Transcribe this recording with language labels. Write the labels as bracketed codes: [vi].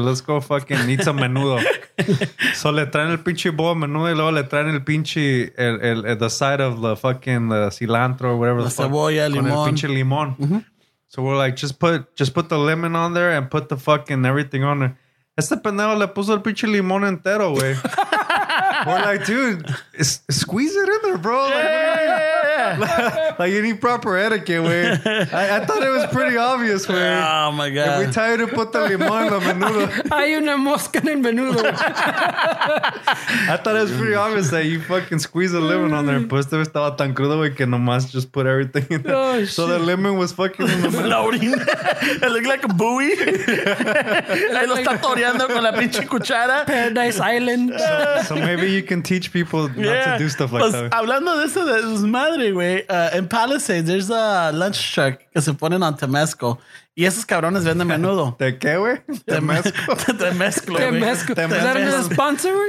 [en] Let's go fucking eat some menudo. So le traen el pinche bowl menudo y luego le traen el pinche, the side of the fucking cilantro or whatever. [es] La cebolla, limón. Con el pinche limón. Mm-hmm. [en] So we're like, just put the lemon on there and put the fucking everything on there. [es] Este pendejo le puso el pinche limón entero, güey. [en] We're like, dude, squeeze it in there, bro. Yeah, like, yeah. Like any proper etiquette, man. I thought it was pretty obvious, man. Oh, my God. If we tell you to put the limón en la menudo. [es] Hay una mosca en menudo. [en] I thought it was pretty obvious that you fucking squeeze the lemon on there. [es] Pues te estaba tan crudo, güey, que nomás just put everything in there. [en] Oh, so shit. The lemon was fucking in the floating. It looked like a buoy. [es] Ahí lo está toreando con la pinche cuchara. [en] Paradise Island. So maybe you can teach people not to do stuff like that. Hablando de eso, es madre, güey. In Palisades, there's a lunch truck que se ponen on Temesco. [es] Y esos cabrones venden menudo. ¿De qué, güey? Temesco. [en] Temesco. ¿Es that another sponsor?